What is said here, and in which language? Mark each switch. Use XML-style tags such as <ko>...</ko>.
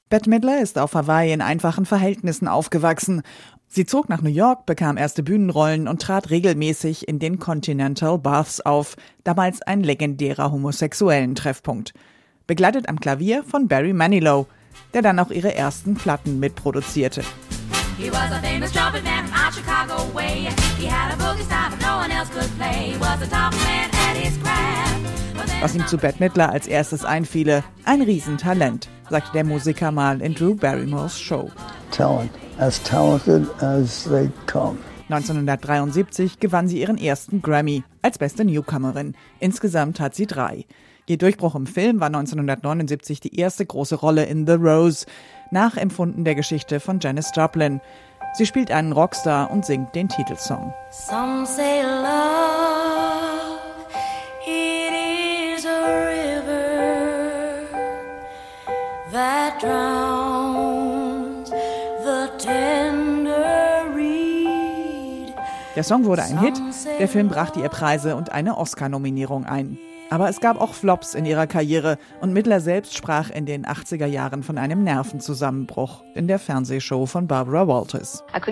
<de>Bette Midler ist auf Hawaii in einfachen Verhältnissen aufgewachsen. Sie zog nach New York, bekam erste Bühnenrollen und trat regelmäßig in den Continental Baths auf, damals ein legendärer homosexuellen Treffpunkt. Begleitet am Klavier von Barry Manilow, der dann auch ihre ersten Platten mitproduzierte.</de> <en>He was a famous trumpet man from our Chicago way. He had a boogie style that no one else could play. He was a top man at his craft.</en> <de>Was ihm zu Bette Midler als erstes einfiele, ein Riesentalent, sagte der Musiker mal in Drew Barrymores Show.</de> <en>Talent, as talented as they come.</en> <de>1973 gewann sie ihren ersten Grammy als beste Newcomerin. Insgesamt hat sie 3. Ihr Durchbruch im Film war 1979 die erste große Rolle in The Rose, nachempfunden der Geschichte von Janis Joplin. Sie spielt einen Rockstar und singt den Titelsong.</de> <en>Some say love, it is a river that drowns the tender reed.</en> <de>Der Song wurde ein Hit, der Film brachte ihr Preise und eine Oscar-Nominierung ein. Aber es gab auch Flops in ihrer Karriere und Midler selbst sprach in den 80er Jahren von einem Nervenzusammenbruch in der Fernsehshow von Barbara Walters.</de>